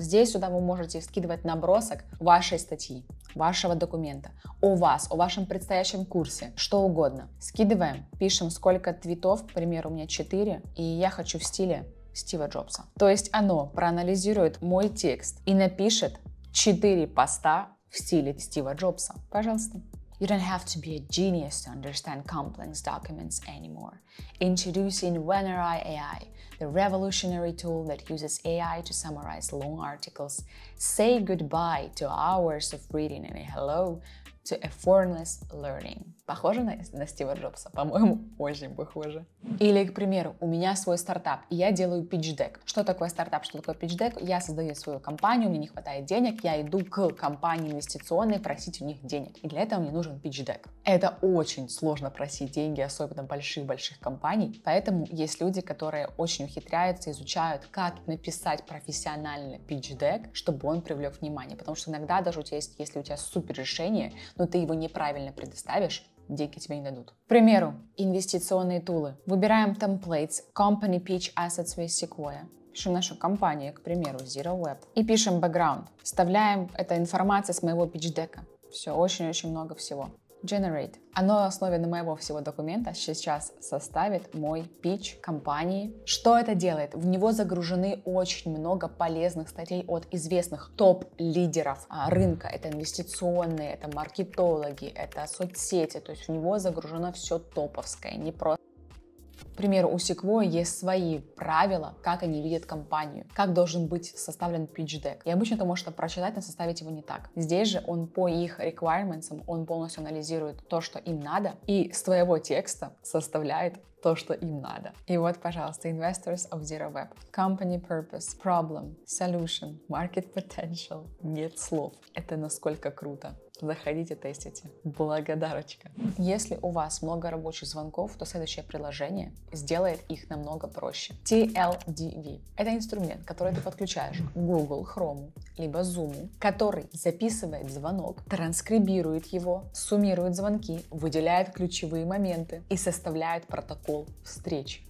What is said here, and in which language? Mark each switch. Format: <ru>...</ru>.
<ru>Здесь сюда вы можете скидывать набросок вашей статьи, вашего документа, о вас, о вашем предстоящем курсе, что угодно. Скидываем, пишем, сколько твитов. К примеру, у меня 4, и я хочу в стиле Стива Джобса. То есть оно проанализирует мой текст и напишет 4 поста в стиле Стива Джобса. Пожалуйста.</ru> <en>You don't have to be a genius to understand complex documents anymore. Introducing WebRI AI, the revolutionary tool that uses AI to summarize long articles. Say goodbye to hours of reading and hello to effortless learning.</en> <ru>Похоже на Стива Джобса? По-моему, очень похоже. Или, к примеру, у меня свой стартап, и я делаю питчдек. Что такое стартап, что такое питчдек? Я создаю свою компанию, мне не хватает денег, я иду к компании инвестиционной просить у них денег. И для этого мне нужен питчдек. Это очень сложно просить деньги, особенно больших-больших компаний. Поэтому есть люди, которые очень ухитряются, изучают, как написать профессионально питчдек, чтобы он привлек внимание. Потому что иногда даже у тебя есть, если у тебя супер решение, но ты его неправильно предоставишь, деньги тебе не дадут. К примеру, инвестиционные тулы. Выбираем</ru> <en>templates, company pitch assets with Sequoia.</en> <ru>Пишем нашу компанию, к примеру, Zero Web. И пишем background. Вставляем эту информацию с моего питчдека. Все, очень-очень много всего.</ru> <en>Generate.</en> <ru>Оно на основе моего всего документа сейчас составит мой питч компании. Что это делает? В него загружены очень много полезных статей от известных топ-лидеров рынка. Это инвестиционные, это маркетологи, это соцсети. То есть в него загружено все топовское, не просто. К примеру, у Sequoia есть свои правила, как они видят компанию, как должен быть составлен pitch deck. И обычно ты можешь это прочитать, но составить его не так. Здесь же он по их requirements, он полностью анализирует то, что им надо, и с твоего текста составляет то, что им надо. И вот, пожалуйста,</ru> <en>investors of Zero Web. Company purpose, problem, solution, market potential.</en> <ru>Нет слов. Это насколько круто. Заходите, тестите. Благодарочка. Если у вас много рабочих звонков, то следующее приложение сделает их намного проще. TLDV. Это инструмент, который ты подключаешь к Google, Chrome, либо Zoom, который записывает звонок, транскрибирует его, суммирует звонки, выделяет ключевые моменты и составляет протокол встреч.</ru>